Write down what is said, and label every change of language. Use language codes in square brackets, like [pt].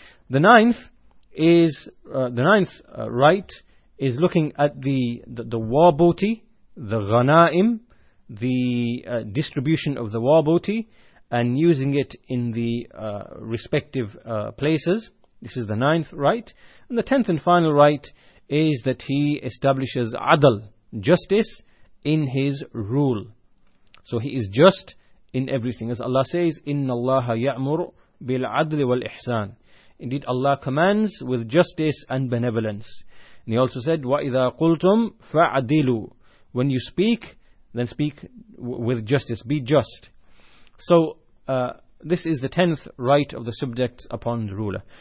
[en] The ninth is right is looking at the war booty, the ghanaim, the distribution of the war booty, and using it in the respective places. This is the ninth right. And the tenth and final right is that he establishes adl, justice, in his rule. So he is just in everything. As Allah says, [ar] إِنَّ اللَّهَ يَأْمُرُ بِالْعَدْلِ وَالْإِحْسَانِ. [en] Indeed, Allah commands with justice and benevolence. And he also said, [ar] وَإِذَا قُلْتُمْ فَعَدِلُوا. [en] When you speak, then speak with justice. Be just. So, this is the tenth right of the subjects upon the ruler.